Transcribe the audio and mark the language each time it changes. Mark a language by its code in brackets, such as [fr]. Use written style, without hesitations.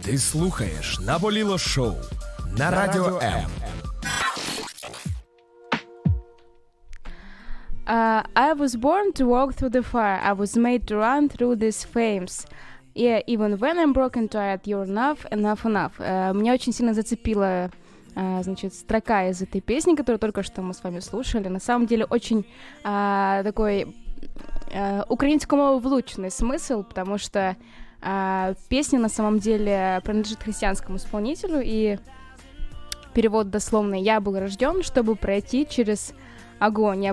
[uk] Слухаєш «Наболіло шоу» на Радіо М. [en] I was born to walk through the fire. I was made to run through these flames. Yeah, even when I'm broken tired, you're enough. [ru] Меня очень сильно зацепила, значит, строка из этой песни, которую только что мы с вами слушали. На самом деле очень такой украинскому влученный смысл, потому что песня на самом деле принадлежит христианскому исполнителю, и перевод дословный: «Я был рожден, чтобы пройти через огонь.